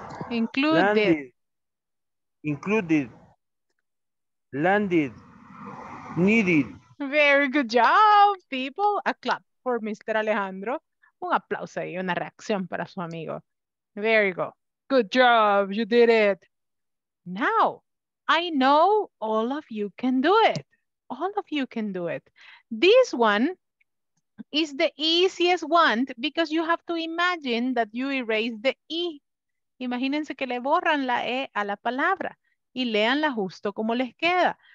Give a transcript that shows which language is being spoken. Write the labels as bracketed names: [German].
[English] Included. Landed. Included. Landed. Needed. Very good job, people. A clap for Mr. Alejandro. [Spanish] Un aplauso y una reacción para su amigo. [English] There you go. Good job. You did it. Now, I know all of you can do it. All of you can do it. This one is the easiest one because you have to imagine that you erase the E. [Spanish] Imagínense que le borran la E a la palabra y leanla justo como les queda.